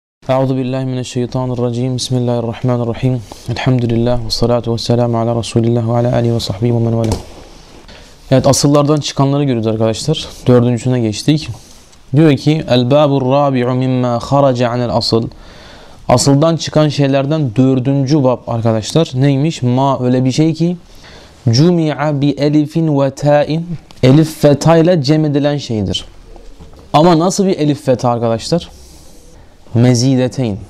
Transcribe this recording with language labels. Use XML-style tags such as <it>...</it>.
<ar>أعوذ بالله من الشيطان الرجيم. بسم الله الرحمن الرحيم. الحمد لله والصلاة والسلام على رسول الله وعلى آله وصحبه ومن والاه.</ar> <tr>Evet, asıllardan çıkanları görüyoruz arkadaşlar. Dördüncüsüne geçtik. Diyor ki</tr> <ar>الْبَابُ الرَّابِعُ مِمَّا خَرَجَ عَنَ الْأَصِلِ.</ar> <tr>Asıldan çıkan şeylerden dördüncü bab arkadaşlar. Neymiş? Ma öyle bir şey ki</tr> <ar>جُمِعَ بِأَلِفٍ وَتَاءٍ.</ar> <tr>Elif ve ta ile cem edilen şeydir. Ama nasıl bir elif ve ta arkadaşlar? Mezideteyn.</tr>